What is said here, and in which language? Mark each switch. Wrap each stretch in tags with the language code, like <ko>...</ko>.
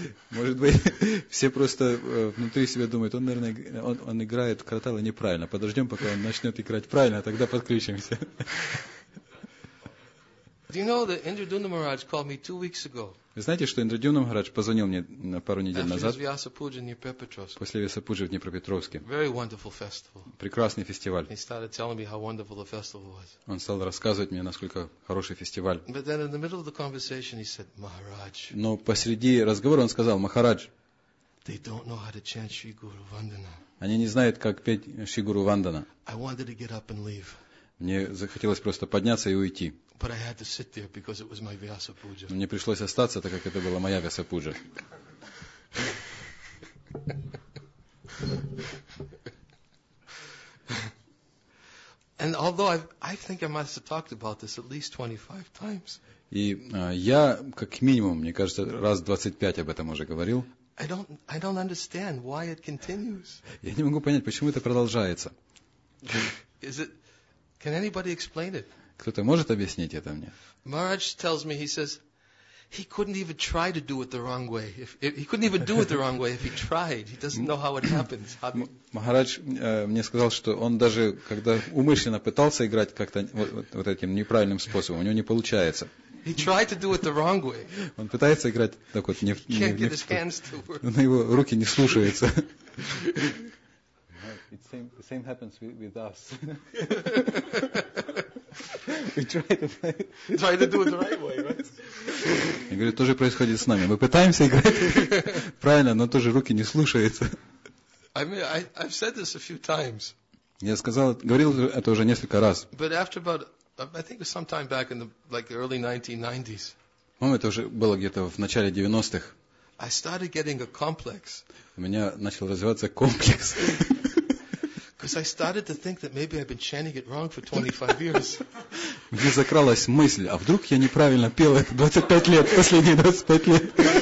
<ru>Может быть, все просто внутри себя думают, он, наверное, он играет в караталы неправильно. Подождем, пока он начнет играть правильно, а тогда подключимся.</ru> <en>Do you know that Indradyumna Maharaj called me 2 weeks ago?</en> <ru>Вы знаете, что Индрадюмна Махарадж позвонил мне пару недель назад? После Веса Пуджи в Днепропетровске.</ru> <en>Very wonderful festival.</en> <ru>Прекрасный фестиваль.</ru> <en>He started telling me how wonderful the festival was.</en> <ru>Он стал рассказывать мне, насколько хороший фестиваль.</ru> <en>But then in the middle of the conversation he said, Maharaj.</en> <ru>Но посреди разговора он сказал, Махарадж.</ru> <en>They don't know how to chant Shri Guru Vandana.</en> <ru>Они не знают, как петь Шри Гуру Вандана.</ru> <en>I wanted to get up and leave.</en> <ru>Мне захотелось просто подняться и уйти.</ru> <en>But I had to sit there because it was my Vyasa Puja.</en> <ru>Мне пришлось остаться, так как это была моя Vyasa Puja.</ru> <en>And although I think I must have talked about this at least 25 times.</en> <ru>И я, как минимум, мне кажется, раз 25 об этом уже говорил.</ru> <en>I don't understand why it continues.</en> <ru>Я не могу понять, почему это продолжается.</ru> <en>Can anybody explain it?</en> <ru>Кто-то может объяснить это мне?</ru> <en>Maharaj tells me, he says, he couldn't even try to do it the wrong way. He couldn't even do it the wrong way if he tried. He doesn't know how it happens.</en> <ru>Махарадж мне сказал, что он даже, когда умышленно пытался играть как-то вот этим неправильным способом, у него не получается.</ru> <en>He tried to do it the wrong way.</en> <ru>Он пытается играть так вот не в ту. Но его руки не слушаются.</ru> <en>The same happens with us. Try to do it the right way, right?</en> <ru>Я говорю, то же происходит с нами. Мы пытаемся играть правильно, но тоже руки не слушаются.</ru> <en>I've said this a few times.</en> <ru>Я сказал, говорил это уже несколько раз.</ru> <en>But after about, I think it was sometime back in the like early 1990s.</en> <ru>По-моему, это уже было где-то в начале 90-х.</ru> <en>I started getting a complex.</en> <ru>У меня начал развиваться комплекс.</ru> <en>Because I started to think that maybe I've been chanting it wrong for 25 years.</en> <ru>Мне закралась мысль, а вдруг я неправильно пел это 25 лет, последние 25 лет.</ru>